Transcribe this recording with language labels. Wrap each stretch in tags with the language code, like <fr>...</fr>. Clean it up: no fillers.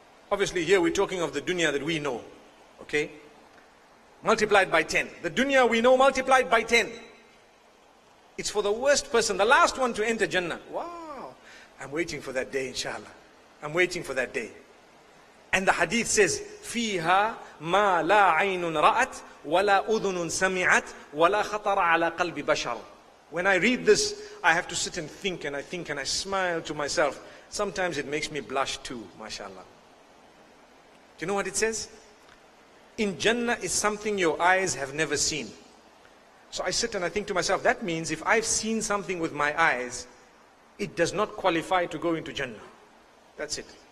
<en>Obviously here we're talking of the dunya that we know. Okay? Multiplied by 10. The dunya we know multiplied by 10. It's for the worst person, the last one to enter Jannah. Wow! I'm waiting for that day, inshallah. I'm waiting for that day. And the hadith says,</en> <ar>فِيهَا مَا لَا عَيْنٌ رَأَتْ وَلَا أُذُنٌ سَمِعَتْ وَلَا خَطَرَ عَلَى قَلْبِ بَشَرٌ.</ar> <en>When I read this, I have to sit and think, and I think, and I smile to myself. Sometimes it makes me blush too, mashallah. Do you know what it says? In Jannah is something your eyes have never seen. So I sit and I think to myself, that means if I've seen something with my eyes, it does not qualify to go into Jannah. That's it.</en>